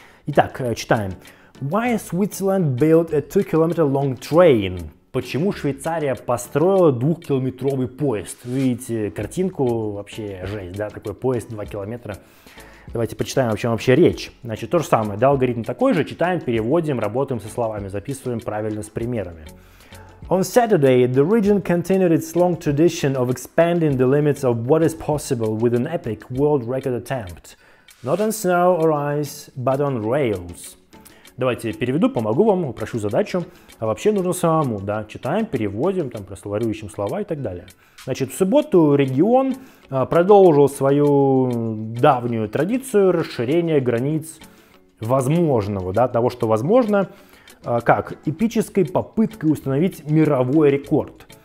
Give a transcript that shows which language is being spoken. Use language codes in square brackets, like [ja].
[ru] Итак, читаем. [en] Why Switzerland built a 2-kilometer-long train? [ru] Почему Швейцария построила 2-километровый поезд? Вы видите картинку, вообще жесть, да, такой поезд 2 километра. Давайте почитаем, о чем вообще речь. Значит, то же самое, да, алгоритм такой же. Читаем, переводим, работаем со словами, записываем правильно с примерами. [en] On Saturday, the region continued its long tradition of expanding the limits of what is possible with an epic world record attempt. Not on snow or ice, but on rails. [ru] Давайте переведу, помогу вам, упрощу задачу. А вообще нужно самому, да, читаем, переводим, там, про словарю, ищем слова и так далее. Значит, в субботу регион продолжил свою давнюю традицию расширения границ возможного, да, того, что возможно, как эпической попыткой установить мировой рекорд.